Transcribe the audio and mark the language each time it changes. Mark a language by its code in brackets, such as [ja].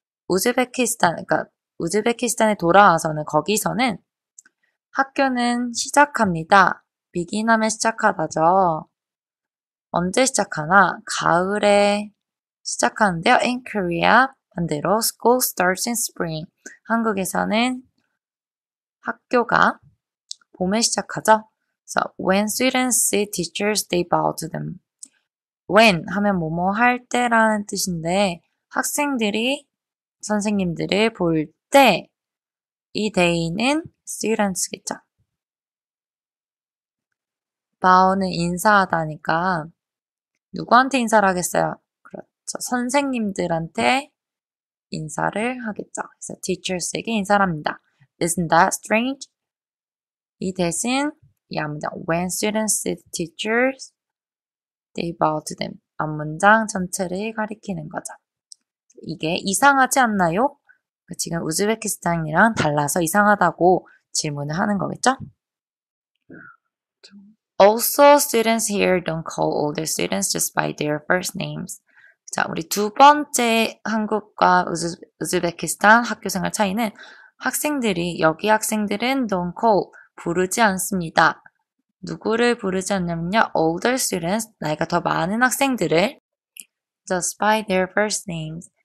[ko] 우즈베키스탄, 그러니까 우즈베키스탄에 돌아와서는 거기서는 학교는 시작합니다. begin 하면 시작하다죠. 언제 시작하나? 가을에 시작하는데요. [en] In Korea 반대로 school starts in spring. [ko] 한국에서는 학교가 봄에 시작하죠. [en] So when students see teachers, they bow to them. [ko] when 하면 뭐뭐 할 때라는 뜻인데 학생들이 선생님들을 볼 때, 이 데이는 students겠죠. bow는 인사하다니까 누구한테 인사를 하겠어요? 그렇죠. 선생님들한테 인사를 하겠죠. 그래서 teachers에게 인사를 합니다. [en] Isn't that strange? [ko] 이 대신 이 앞문장 [en] when students see teachers, they bow to them. [ko] 앞문장 전체를 가리키는 거죠. 이게 이상하지 않나요? 지금 우즈베키스탄이랑 달라서 이상하다고 질문을 하는 거겠죠? [en] Also, students here don't call older students just by their first names. [ko] 자, 우리 두 번째 한국과 우즈베키스탄 학교생활 차이는 학생들이, 여기 학생들은 [en] don't call, [ko] 부르지 않습니다. 누구를 부르지 않냐면요. [en] older students, [ko] 나이가 더 많은 학생들을 [en] just by their first names.